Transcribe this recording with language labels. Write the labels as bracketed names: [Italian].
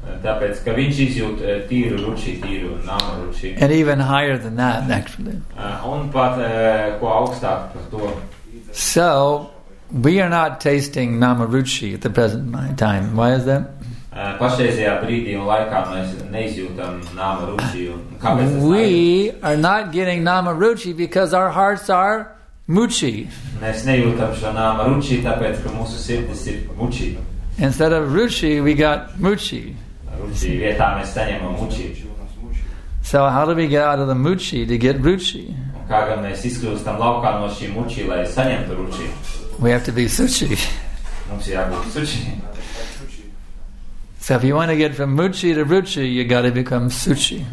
[Latvian] Tāpēc, ka viņš izjūt tīru ruchi, tīru nama ruchi. [English] And even higher than that, actually. [Latvian] Un pat ko augstāk par to. [English] So, we are not tasting nama ruchi at the present time. Why is that? [Latvian] Pašreizajā brīdī un laikā mēs neizjūtam nama ruchi. [English] We are not getting nama ruchi because our hearts are muchi. [Latvian] Mēs nejūtam šo nama ruchi, tāpēc, ka mūsu sirdis ir muchi. [English] Instead of ruchi, we got muchi. [Latvian] Ruchi vietā mēs saņemam muchi. [English] So how do we get out of the muchi to get ruchi? [Latvian] Kā gan mēs izkļūstam laukā no šī muchi, lai saņemtu ruchi? [English] We have to be suchi. [Latvian] Mums jābūt suchi. [English] So if you want to get from muchi to ruchi, you got to become suchi.